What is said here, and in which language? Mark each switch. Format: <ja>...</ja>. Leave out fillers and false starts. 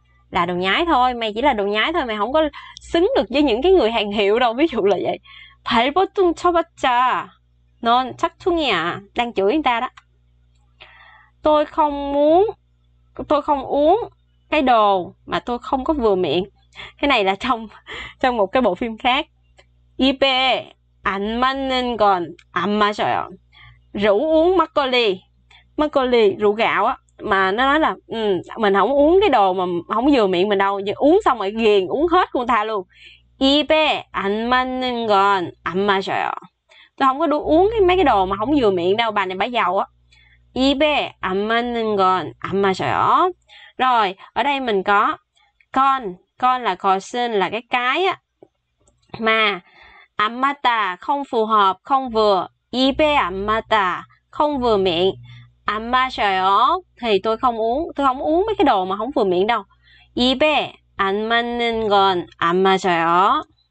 <vi>Là đồ nhái thôi, mày chỉ là đồ nhái thôi, mày không có xứng được với những cái người hàng hiệu đâu, ví dụ là vậy.</vi> <ko>발버둥쳐봤자. Nón, 짝퉁이야.</ko> <vi>Đang chửi người ta đó. Tôi không uống cái đồ mà tôi không có vừa miệng. Cái này là trong trong một cái bộ phim khác.</vi> <ko>입에 안 맞는 건안 마셔요.</ko> <vi>Rượu uống막걸리. 막걸리, rượu gạo á, mà nó nói là mình không uống cái đồ mà không vừa miệng mình đâu, giờ uống xong rồi ghiền, uống hết con ta luôn.</vi> <ko>입에 안 맞는 건안 마셔요.</ko> <vi>Tôi không có đủ uống cái mấy cái đồ mà không vừa miệng đâu, bà này bà giàu á.</vi> <ko>입에 안 맞는 건안 마셔요.</ko> <vi>Rồi, ở đây mình có con là 것은 là cái á, mà 안 맞다 không phù hợp, không vừa.</vi> <ko>입에 안 맞다</ko> <vi>không vừa miệng. 안 마셔요 thì tôi không uống mấy cái đồ mà không vừa miệng đâu.</vi> <ko>입에 안 맞는 건안 마셔요.</ko>